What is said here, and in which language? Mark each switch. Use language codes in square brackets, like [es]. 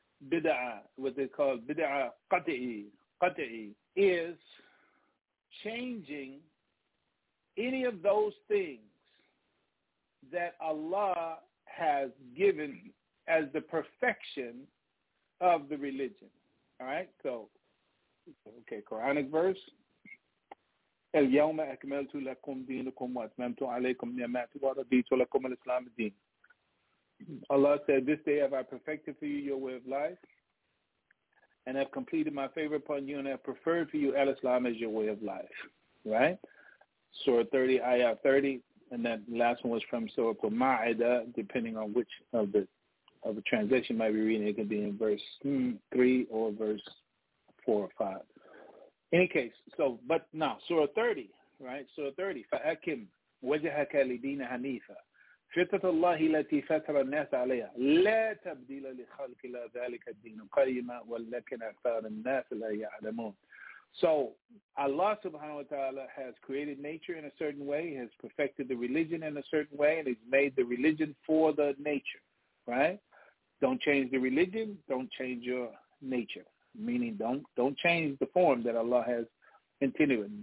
[en] Bid'ah, what they call bid'ah qat'i. Is changing any of those things that Allah has given as the perfection of the religion. All right? So Okay, Quranic verse. [ar] اليوم أكملت لكم دينكم وأتممت عليكم نعمتي ورضيت لكم الإسلام دين. [en] Allah said, this day have I perfected for you your way of life and have completed my favor upon you and have preferred for you al-Islam as your way of life. Right? Surah 30, Ayah 30. And that last one was from Surah Al-Ma'idah, depending on which of the translation you might be reading. It could be in verse 3 or verse 4 or 5. Any case, so, but now, Surah 30, right? [ar] Surah 30, فَأَكِمْ وَجَهَكَ لِدِينَ حَنِيفًا فطرة الله التي فطر الناس عليها لا تبديل لخلق الله ذلك الدين القيم ولكن أكثر الناس لا يعلمون. [en] So Allah subhanahu wa ta'ala has created nature in a certain way, has perfected the religion in a certain way, and has made the religion for the nature, right? Don't change the religion, don't change your nature, meaning don't change the form that Allah has intended with.